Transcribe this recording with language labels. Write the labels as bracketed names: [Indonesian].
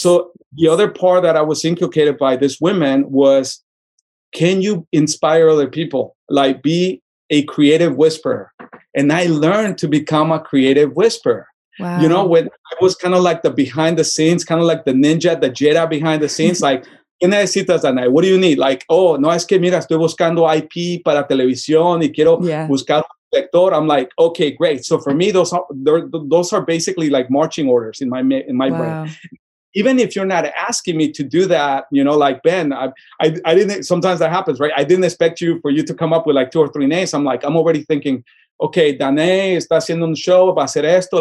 [English] So the other part that I was inculcated by this woman was, can you inspire other people? Like, be a creative whisperer. And I learned to become a creative whisperer. Wow. You know, when I was kind of like the behind the scenes, kind of like the ninja, the Jedi behind the scenes, like, [Spanish] ¿qué necesitas, Anay? [English] What do you need? [Spanish] Like, oh, no, es que mira, estoy buscando IP para televisión y quiero yeah. buscar un director. [English] I'm like, okay, great. So for me, those are basically like marching orders in my wow. brain. Even if you're not asking me to do that, you know, like, Ben, I didn't, sometimes that happens, right? I didn't expect for you to come up with like two or three names. I'm like, I'm already thinking, okay, [Spanish] Danae está haciendo un show, va a hacer esto.